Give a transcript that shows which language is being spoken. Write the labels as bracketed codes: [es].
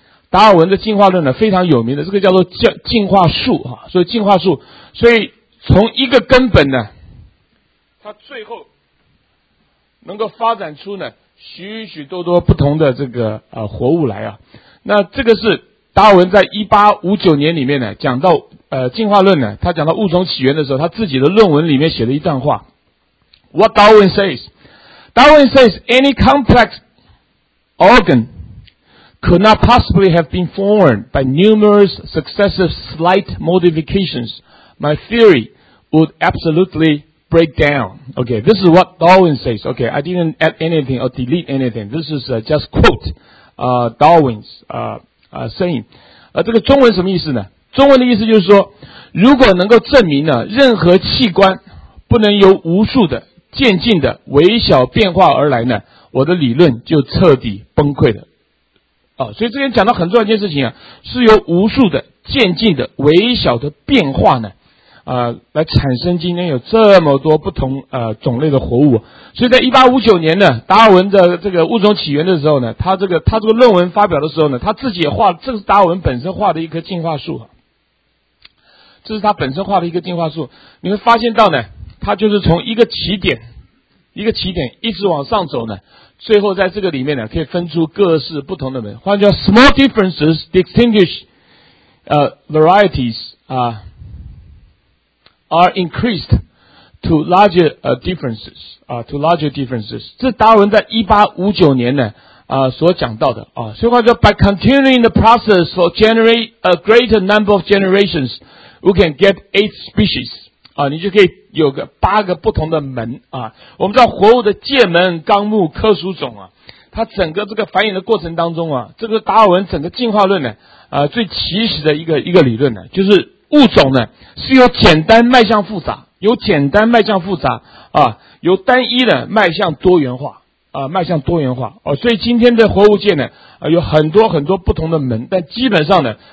[zh] 达尔文的进化论呢非常有名的，这个叫做进化树、啊、所以进化树，所以从一个根本呢它最后能够发展出呢许许多多不同的这个活物来啊。那这个是达尔文在1859年里面呢讲到进化论呢，他讲到物种起源的时候，他自己的论文里面写了一段话。 [en] What Darwin says? Darwin says any complex organ could not possibly have been formed by numerous successive slight modifications. My theory would absolutely break down. Okay, this is what Darwin says. Okay, I didn't add anything or delete anything. This is just quote Darwin's saying. [zh] 这个中文什么意思呢？中文的意思就是说，如果能够证明呢，任何器官不能由无数的渐进的微小变化而来呢，我的理论就彻底崩溃了。所以这边讲到很重要一件事情啊，是由无数的渐进的微小的变化呢，来产生今天有这么多不同种类的活物。所以在1859年呢，达尔文的这个物种起源的时候呢，他这个论文发表的时候呢，他自己也画，这是达尔文本身画的一棵进化树。这是他本身画的一个进化树，你会发现到呢，他就是从一个起点一直往上走呢，最后在这个里面呢，可以分出各式不同的门。换句话说 [en] ，small differences distinguish varieties are increased to larger differences to larger differences。 [zh] 这达尔文在1859年呢所讲到的啊，所以换句话说 ， [en] by continuing the process for generate a greater number of generations。 We can get 8 species [zh] 啊，你就可以有个八个不同的门啊。我们知道活物的界门、纲目、科属种啊，它整个这个繁衍的过程当中啊，这个达尔文整个进化论呢，最起始的一个理论呢，就是物种呢是由简单迈向复杂，由简单迈向复杂啊，由单一的迈向多元化啊，迈向多元化哦、啊。所以今天的活物界呢，有很多很多不同的门，但基本上呢。